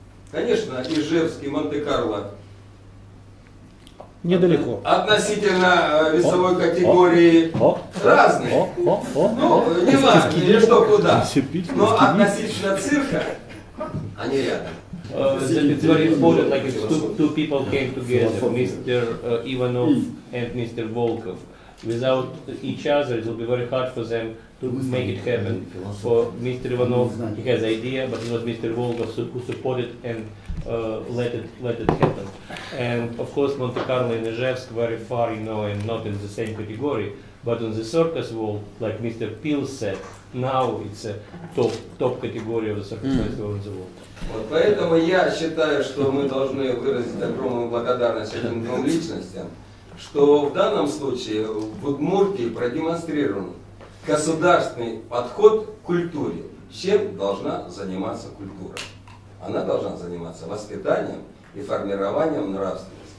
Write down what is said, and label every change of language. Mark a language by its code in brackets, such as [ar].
[ru] Конечно, Ижевск и Монте-Карло недалеко. Относительно весовой категории разные. Ну, не важно, или что куда. Но относительно цирка, они рядом. [en] It's very important, like two people came together, Mr. Ivanov and Mr. Volkov. Without each other, it will be very hard for them to make it happen. For Mr. Ivanov, he has idea, but it was Mr. Volkov who supported and let it happen. And of course, Monte Carlo and Ijevsk, very far, you know, and not in the same category. But on the circus world, like Mr. Peel said, now it's a top category of the circus festival in the world. [ru] Вот поэтому я считаю, что мы должны выразить огромную благодарность этим двум личностям, что в данном случае в Удмуртии продемонстрирован государственный подход к культуре. Чем должна заниматься культура? Она должна заниматься воспитанием и формированием нравственности.